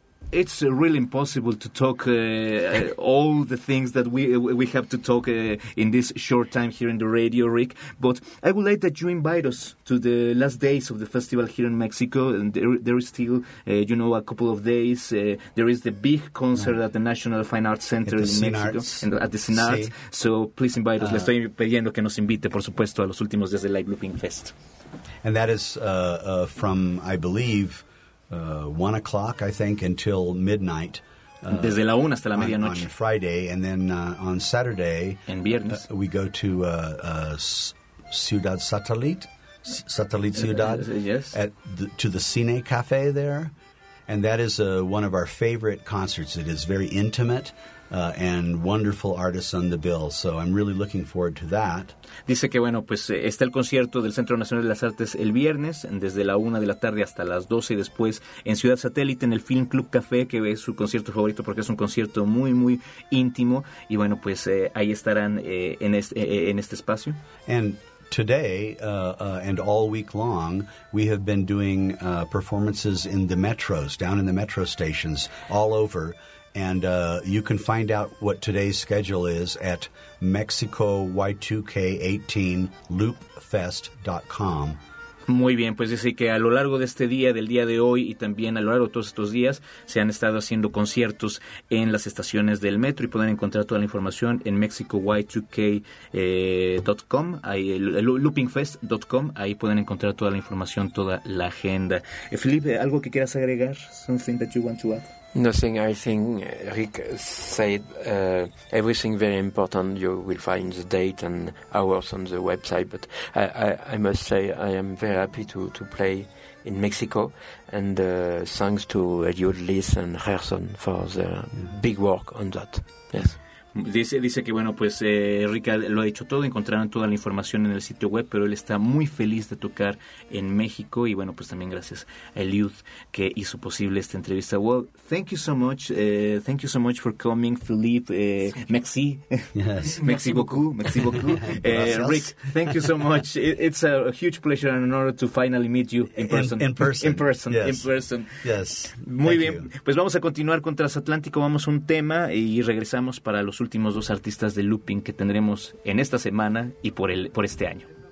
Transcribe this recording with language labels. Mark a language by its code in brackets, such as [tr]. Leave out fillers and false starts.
[en] It's really impossible to talk all the things that we have to talk in this short time here in the radio, Rick. But I would like that you invite us to the last days of the festival here in Mexico. And there is still, a couple of days. There is the big concert at the National Fine Arts Center in Mexico. At the CINART. [es] Sí. [en] So please invite us. [es] Le estoy pidiendo que nos invite, por supuesto, a los últimos días de Live Looping Fest. [en] And that is from, I believe... 1 o'clock, I think, until midnight. [es] Desde la una hasta la medianoche. [en] On Friday, and then on Saturday, [es] en viernes. [en] We go to Ciudad Satellite, Ciudad, yes. To the Cine Cafe there, and that is one of our favorite concerts. It is very intimate. And wonderful artists on the bill, so I'm really looking forward to that. [es] Dice que bueno, pues está el concierto del Centro Nacional de las Artes el viernes, desde la una de la tarde hasta las doce, y después en Ciudad Satélite, en el Film Club Café, que es su concierto favorito porque es un concierto muy, muy íntimo, y bueno, pues ahí estarán en este espacio. [en] And today, and all week long, we have been doing performances in the metros, down in the metro stations, all over. And you can find out what today's schedule is at MexicoY2K18LoopFest.com. [es] Muy bien, pues dice que a lo largo de este día, del día de hoy y también a lo largo de todos estos días, se han estado haciendo conciertos en las estaciones del metro y pueden encontrar toda la información en MexicoY2K.com, LoopingFest.com, ahí pueden encontrar toda la información, toda la agenda. [en] Felipe, [es] ¿algo que quieras agregar? [en] Something that you want to add? Nothing. I think Rick said everything very important. You will find the date and hours on the website. But I must say I am very happy to play in Mexico. And thanks to Eliud Liss and Gerson for the big work on that. Yes. [es] Dice que bueno, pues Rick lo ha hecho todo, encontraron toda la información en el sitio web, pero él está muy feliz de tocar en México, y bueno, pues también gracias a Eliud que hizo posible esta entrevista. [en] Well, thank you so much for coming, Philippe, [fr] merci, [en] yes. [fr] merci beaucoup, [en] Rick, thank you so much, it's a huge pleasure and an honor to finally meet you in person, yes, [es] muy [en] thank [es] bien, [en] you. [es] Pues vamos a continuar con Transatlántico, vamos a un tema y regresamos para los últimos dos artistas de looping que tendremos en esta semana y por este año.